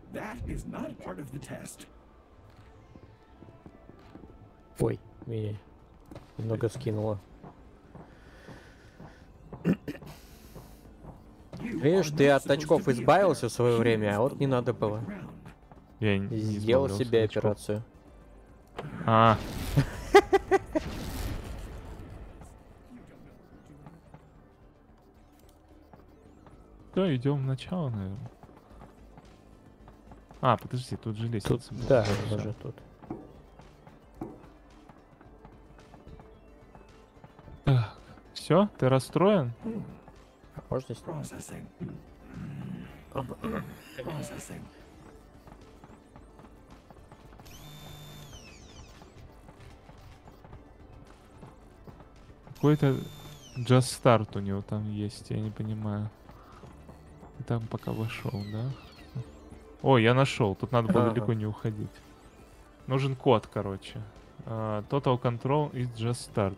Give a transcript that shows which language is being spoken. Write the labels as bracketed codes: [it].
[en] That is not part of the test. [ru] Ой, меня немного скинуло. Видишь, ты от очков избавился в свое время, а вот не надо было. Я сделал себе операцию. А. Идем в начало, наверное. А, подожди, тут же лестница. Тут, да, уже тут. Так, все, ты расстроен? Можно снять. Какой-то [en] just start [ru] у него там есть, я не понимаю. там пока вошел, да? О, я нашел. Тут надо было далеко не уходить. Нужен код, короче. [en] Total control is just start.